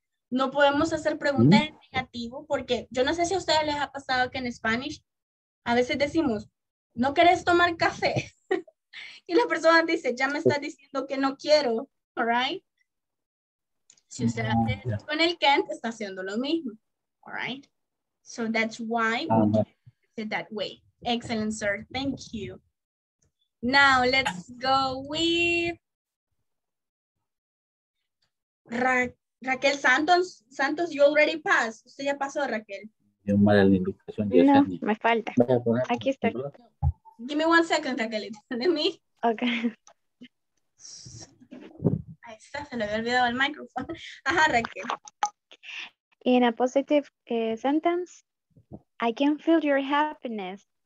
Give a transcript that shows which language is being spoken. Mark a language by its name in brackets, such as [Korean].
[Spanish] No podemos hacer preguntas en negativo porque yo no sé si a ustedes les ha pasado que en Spanish a veces decimos, ¿no querés tomar café? Y la persona dice, ya me estás diciendo que no quiero. [English] All right? [Spanish] Si usted hace con el can't, está haciendo lo mismo. [English] All right? So that's why we did it that way. Excellent, sir. Thank you. Now let's go with Raquel Santos. Santos, you already passed. [Spanish] Usted ya pasó, Raquel. No, me falta. Aquí está. [English] Give me 1 second, Raquel. Let me. Okay. [Spanish] Ahí está, se le había olvidado el micrófono. Ajá, Raquel. [English] In a positive sentence, I can feel your happiness.